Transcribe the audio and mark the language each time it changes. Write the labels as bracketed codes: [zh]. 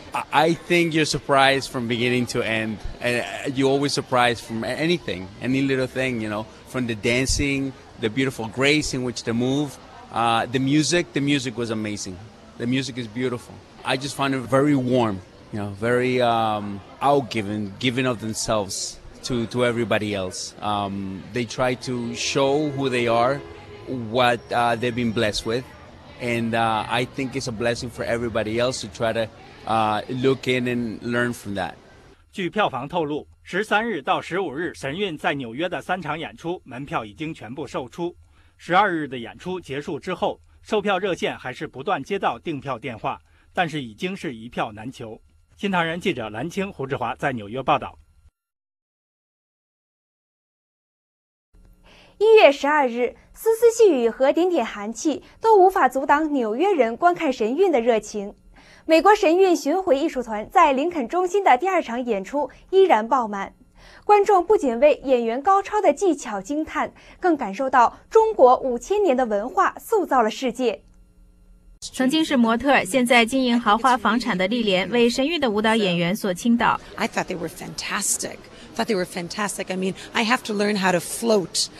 [en] I think you're surprised from beginning to end. You're always surprised from anything, any little thing, you know, from the dancing, the beautiful grace in which they move, the music was amazing. The music is beautiful. I just found it very warm, you know, very outgiving of themselves to everybody else. They try to show who they are, what they've been blessed with, and I think it's a blessing for everybody else to try to look in and learn from that. [zh] 据票房透露，13日到15日神韵在纽约的三场演出门票已经全部售出。 12日的演出结束之后，售票热线还是不断接到订票电话，但是已经是一票难求。新唐人记者蓝青、胡志华在纽约报道。一月十二日，丝丝细雨和点点寒气都无法阻挡纽约人观看神韵的热情。美国神韵巡回艺术团在林肯中心的第二场演出依然爆满，观众不仅为演员高超的技巧惊叹，更感受到中国五千年的文化塑造了世界。曾经是模特，现在经营豪华房产的丽莲为神韵的舞蹈演员所倾倒。 [en] I thought they were fantastic. I thought they were fantastic. I mean, I have to learn how to float.